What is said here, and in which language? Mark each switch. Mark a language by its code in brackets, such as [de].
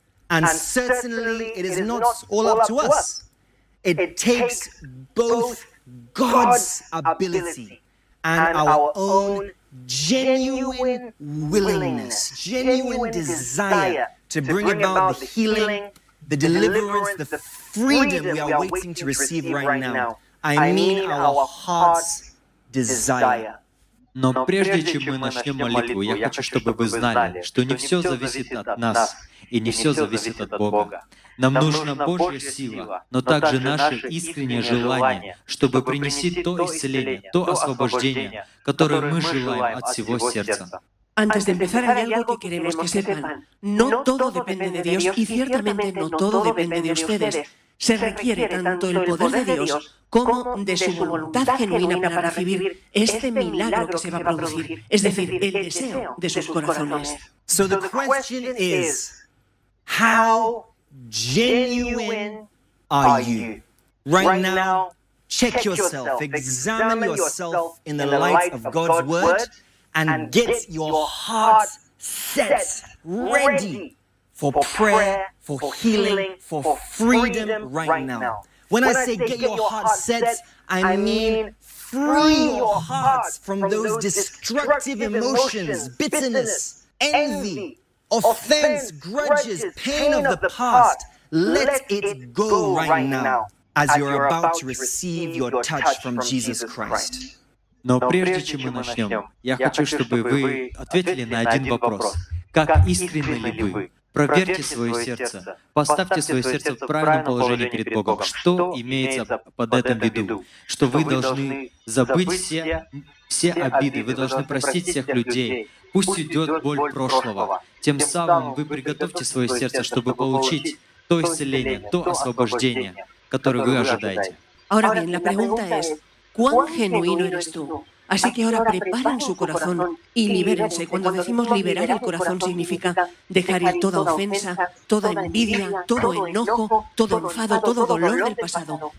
[en] And certainly it is not all up to us. It takes both God's ability and our own genuine willingness, genuine desire to bring about the healing, the deliverance, the freedom we are waiting to receive right now. I mean our heart's desire. [ru] Но прежде чем мы начнем молитву, я хочу, чтобы вы знали, что не все зависит от нас и не все зависит от Бога. Нам нужна Божья сила, но также наше искреннее желание, чтобы принести то исцеление, то освобождение, которое мы желаем от всего сердца. [es] Antes de empezar, hay algo que queremos que sepan. No todo depende de Dios y ciertamente no todo depende de ustedes. Se requiere tanto el poder de Dios como de su voluntad genuina para recibir este milagro que se va a producir, es decir, el deseo de sus corazones. [en] So the question is, how genuine are you? Right now, check yourself, examine yourself in the light of God's word and get your heart set, ready for prayer, for healing, for freedom right now. When I say get your heart set, I mean free your heart from those destructive emotions, bitterness, envy, offense, grudges, pain of the past. Let it go right now as you're about to receive your touch from Jesus Christ. [ru] Но прежде чем мы начнем, я хочу, чтобы вы ответили на один вопрос. Как искренны ли вы? Проверьте свое сердце. Поставьте свое сердце в правильном положении перед Богом. Что имеется под этим в виду? Что вы должны забыть все обиды. Вы должны простить всех людей. Пусть идет боль прошлого. Тем самым вы приготовьте свое сердце, чтобы получить то исцеление, то освобождение, которое вы ожидаете. [es] Ahora bien, la pregunta es, ¿cuán genuino eres tú? Así que ahora preparen su corazón y libérense. Cuando decimos liberar el corazón significa dejar ir toda ofensa, toda envidia, todo enojo, todo enfado, todo dolor del pasado.